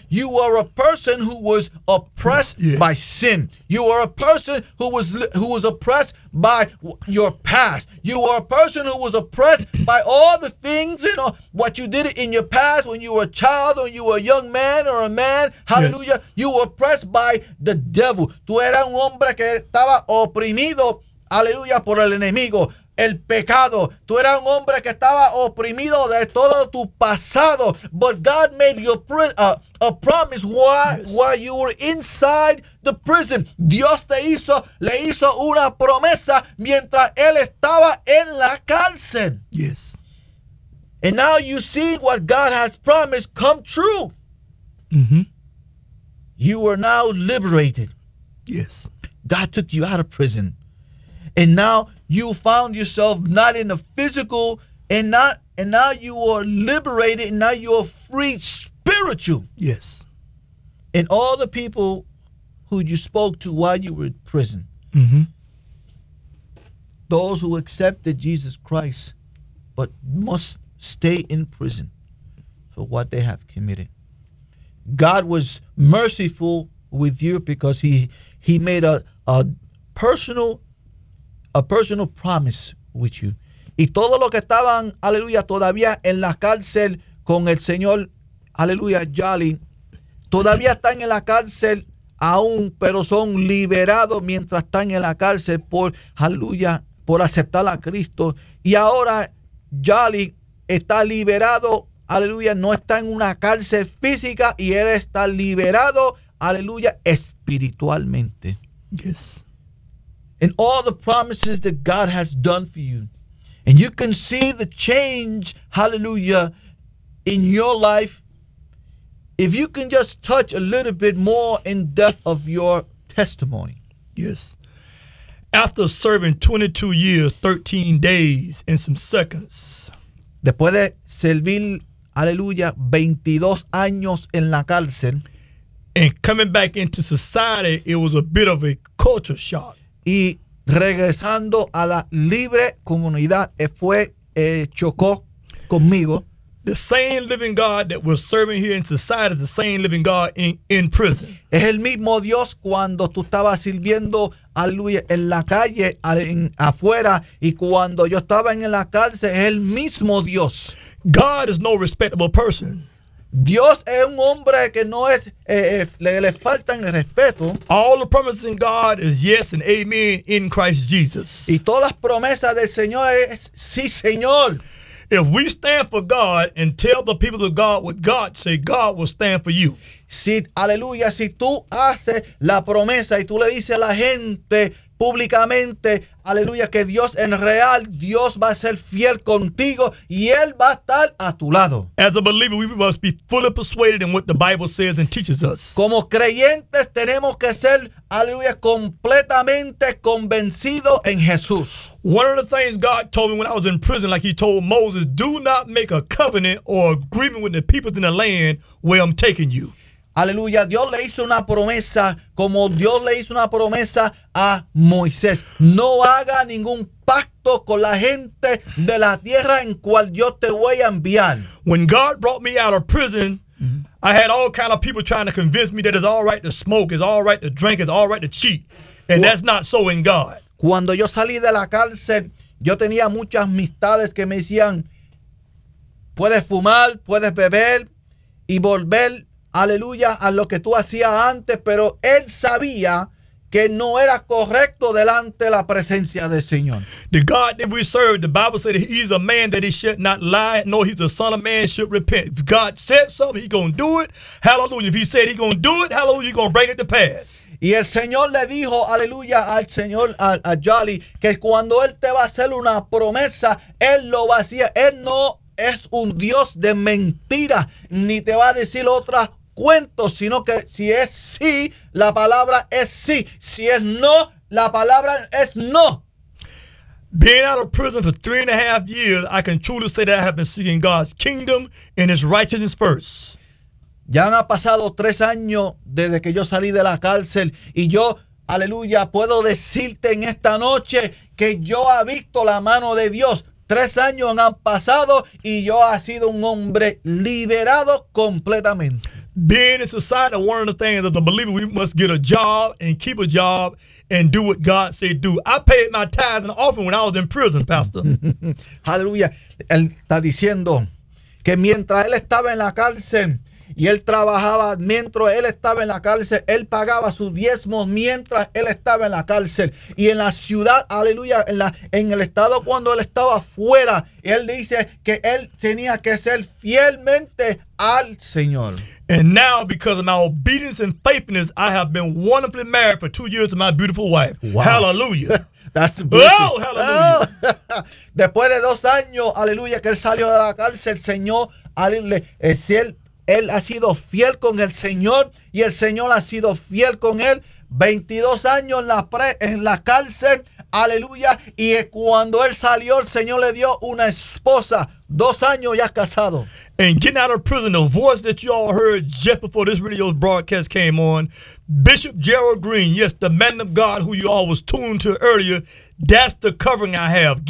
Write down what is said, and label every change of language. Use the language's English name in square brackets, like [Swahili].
[English] You are a person who was oppressed yes. by sin. You are a person who was oppressed by your past. You are a person who was oppressed by all the things, you know, what you did in your past when you were a child or you were a young man or a man. Hallelujah. Yes. You were oppressed by the devil. [Spanish] Tú eras un hombre que estaba oprimido, aleluya, por el enemigo. El pecado. Tú eras un hombre que estaba oprimido de todo tu pasado. [English] But God made you a promise while you were inside the prison. [Spanish] Dios le hizo una promesa mientras él estaba en la cárcel. [English] Yes. And now you see what God has promised come true. Mm-hmm. You are now liberated. Yes. God took you out of prison. And now you found yourself not in the physical, and now you are liberated, and now you are free spiritual. Yes. And all the people who you spoke to while you were in prison, mm-hmm. those who accepted Jesus Christ but must stay in prison for what they have committed. God was merciful with you because he made a personal promise with you. [Spanish] Y todos los que estaban, aleluya, todavía en la cárcel con el Señor, aleluya, Jolly, todavía están en la cárcel aún, pero son liberados mientras están en la cárcel por, aleluya, por aceptar a Cristo. Y ahora Jolly está liberado, aleluya, no está en una cárcel física y él está liberado, aleluya, espiritualmente. [English] Yes. And all the promises that God has done for you. And you can see the change, hallelujah, in your life. If you can just touch a little bit more in depth of your testimony. Yes. After serving 22 years, 13 days, and some seconds. [Spanish] Después de servir, hallelujah, 22 años en la cárcel. [English] And coming back into society, it was a bit of a culture shock. [Spanish] Y regresando a la libre comunidad, chocó conmigo. [English] The same living God that was serving here in society is the same living God in prison. [Spanish] Es el mismo Dios cuando tú estabas sirviendo a Luis en la calle, afuera, y cuando yo estaba en la cárcel, es el mismo Dios. [English] God is no respectable person. [Spanish] Dios es un hombre que no es le faltan el respeto. [English] All the promises in God is yes and amen in Christ Jesus. [Spanish] Y todas las promesas del Señor es sí, Señor. [English] If we stand for God and tell the people of God what God say, God will stand for you. [Spanish] Si aleluya, si tú haces la promesa y tú le dices a la gente públicamente, aleluya, que Dios en real, Dios va a ser fiel contigo y Él va a estar a tu lado. [English] As a believer, we must be fully persuaded in what the Bible says and teaches us. [Spanish] Como creyentes, tenemos que ser, aleluya, completamente convencidos en Jesús. [English] One of the things God told me when I was in prison, like he told Moses, do not make a covenant or agreement with the people in the land where I'm taking you. [Spanish] Aleluya, Dios le hizo una promesa, como Dios le hizo una promesa a Moisés. No haga ningún pacto con la gente de la tierra en cual yo te voy a enviar. [English] When God brought me out of prison, mm-hmm. I had all kind of people trying to convince me that it's all right to smoke, it's all right to drink, it's all right to cheat. And that's not so in God. [Spanish] Cuando yo salí de la cárcel, yo tenía muchas amistades que me decían, puedes fumar, puedes beber y volver, aleluya, a lo que tú hacías antes, pero él sabía que no era correcto delante de la presencia del Señor. [English] The God that we serve, the Bible said he's a man that he should not lie, nor he's a son of man should repent. If God said something, he's going to do it. Hallelujah. If he said he's going to do it, hallelujah, he's going to bring it to pass. [Spanish] Y el Señor le dijo, aleluya, al Señor, a Jolly, que cuando Él te va a hacer una promesa, Él lo va a hacer. Él no es un Dios de mentiras, ni te va a decir otra cuento, sino que si es sí, la palabra es sí. Si es no, la palabra es no. [English] Being out of prison for 3.5 years, I can truly say that I have been seeking God's kingdom and His righteousness first. [Spanish] Ya han pasado 3 años desde que yo salí de la cárcel y yo, aleluya, puedo decirte en esta noche que yo he visto la mano de Dios. 3 años han pasado y yo he sido un hombre liberado completamente. [English] Being in society, one of the things that the believer, we must get a job and keep a job and do what God said do. I paid my tithes and offering when I was in prison, Pastor. Hallelujah. [Spanish] Él está diciendo que mientras él estaba en la cárcel y él trabajaba, mientras él estaba en la cárcel, él pagaba sus diezmos mientras él estaba en la cárcel. Y en la ciudad, aleluya, en el estado cuando él estaba fuera, él dice que él tenía que ser fielmente al Señor. [English] And now, because of my obedience and faithfulness, I have been wonderfully married for 2 years to my beautiful wife. Wow. Hallelujah. That's the blessing. Oh, hallelujah. [Spanish] Después de 2 años, aleluya, que él salió de la cárcel, Señor, aleluya, él ha sido fiel con el Señor y el Señor ha sido fiel con él. 22 años en la cárcel, aleluya. Y cuando él salió, el Señor le dio una esposa. 2 años ya casado. [English] And getting out of prison, the voice that you all heard just before this radio broadcast came on, Bishop Gerald Green, yes, the man of God who you all was tuned to earlier, that's the covering I have.